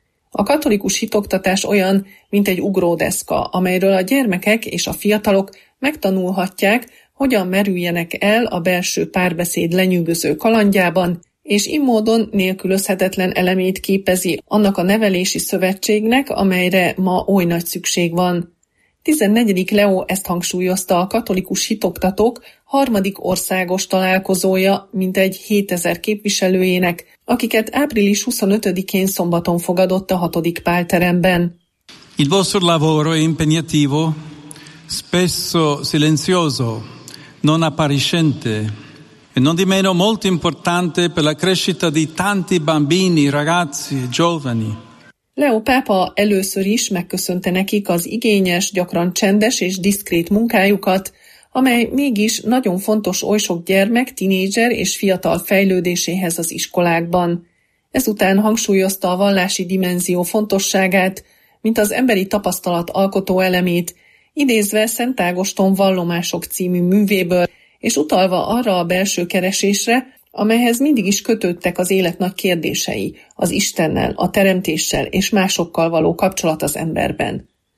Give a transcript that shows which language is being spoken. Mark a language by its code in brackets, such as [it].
[hu] A katolikus hitoktatás olyan, mint egy ugródeszka, amelyről a gyermekek és a fiatalok megtanulhatják, hogyan merüljenek el a belső párbeszéd lenyűgöző kalandjában, és így módon nélkülözhetetlen elemét képezi annak a nevelési szövetségnek, amelyre ma oly nagy szükség van. 14. Leó ezt hangsúlyozta a katolikus hitoktatók harmadik országos találkozója, mint egy 7000 képviselőjének, akiket április 25-én szombaton fogadott a 6. pálteremben. [it] Il vostro lavoro è impegnativo, spesso silenzioso, non appariscente, e non di meno molto importante per la crescita di tanti bambini, ragazzi e giovani. [hu] Leo pápa először is megköszönte nekik az igényes, gyakran csendes és diszkrét munkájukat, amely mégis nagyon fontos oly sok gyermek, tinédzser és fiatal fejlődéséhez az iskolákban. Ezután hangsúlyozta a vallási dimenzió fontosságát, mint az emberi tapasztalat alkotó elemét, idézve Szent Ágoston Vallomások című művéből, és utalva arra a belső keresésre, amelyhez mindig is kötődtek az élet nagy kérdései, az Istennel, a teremtéssel és másokkal való kapcsolat az emberben.